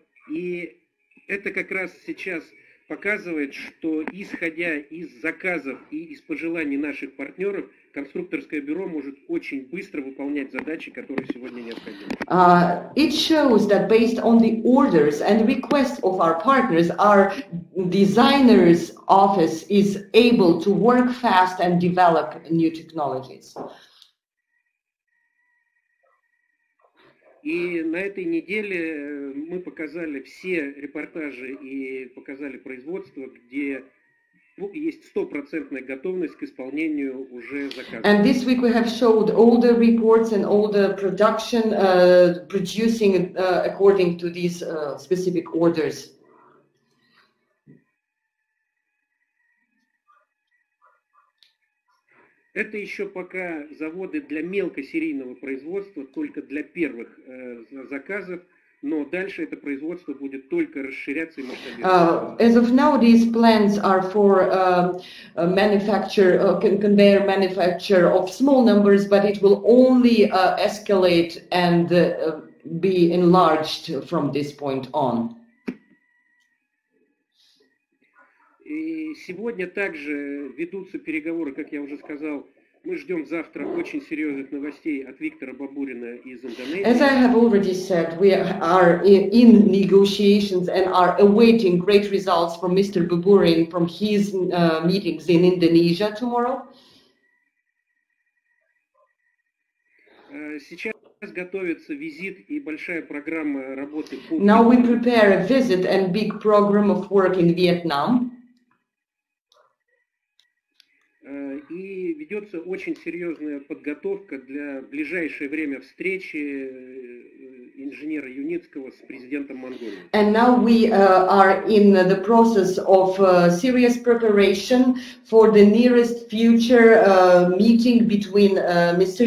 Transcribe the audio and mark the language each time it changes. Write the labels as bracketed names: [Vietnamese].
[Russian] И это как раз сейчас показывает, что исходя из заказов и из пожеланий наших партнеров, конструкторское бюро может очень быстро выполнять задачи, которые сегодня необходимы. [English] It shows that based on the orders and requests of our partners, our designer's office is able to work fast and develop new technologies. [Russian] И на этой неделе мы показали все репортажи и показали производство, где есть 100% готовность к исполнению уже заказа. [English] And this week we have showed all the reports and all the production producing according to these specific orders. [Russian] Это еще пока заводы для мелкосерийного производства, только для первых заказов. Но дальше это производство будет только расширяться и масштабироваться. [English] As of now, these plans are for manufacture, conveyor manufacture of small numbers, but it will only escalate and be enlarged from this point on. [Russian] И сегодня также ведутся переговоры, как я уже сказал. Мы ждем завтра очень серьезных новостей от Виктора Бабурина из Индонезии. [English] As I have already said, we are in negotiations and are awaiting great results from Mr. Baburin from his meetings in Indonesia tomorrow. [Russian] Сейчас готовится визит и большая программа работы. [English] Now we prepare a visit and big program of work in Vietnam. [Russian] И ведется очень серьезная подготовка для ближайшее время встречи инженера Юницкого с президентом Монголии. [English] And now we are in the process of serious preparation for the nearest future meeting between Mr.